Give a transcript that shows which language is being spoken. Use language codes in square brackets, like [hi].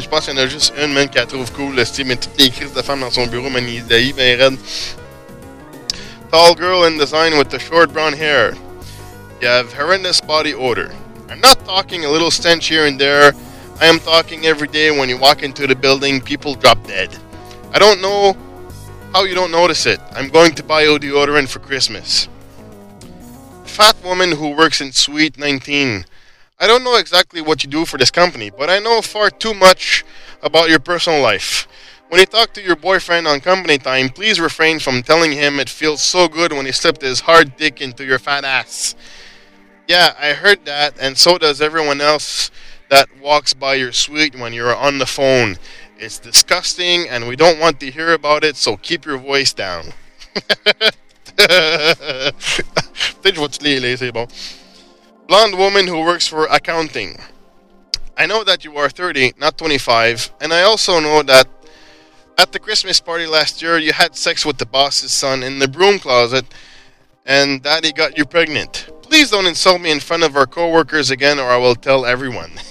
[fr] Je pense qu'il y en a juste une, man, qui la trouve cool. Là, mais toutes les crises de femmes dans son bureau, man, il haït bien raide. [en] Tall girl in design with the short brown hair. You have horrendous body odor. I'm not talking a little stench here and there. I am talking every day when you walk into the building, people drop dead. I don't know... How you don't notice it? I'm going to buy you deodorant for Christmas. Fat woman who works in Suite 19. I don't know exactly what you do for this company, but I know far too much about your personal life. When you talk to your boyfriend on company time, please refrain from telling him it feels so good when he slipped his hard dick into your fat ass. Yeah, I heard that, and so does everyone else that walks by your suite when you're on the phone. It's disgusting, and we don't want to hear about it, so keep your voice down. [fr] Peut-être je vais te lire, c'est bon. [en] Blonde woman who works for accounting. I know that you are 30, not 25, and I also know that at the Christmas party last year, you had sex with the boss's son in the broom closet, and daddy got you pregnant. Please don't insult me in front of our co-workers again, or I will tell everyone.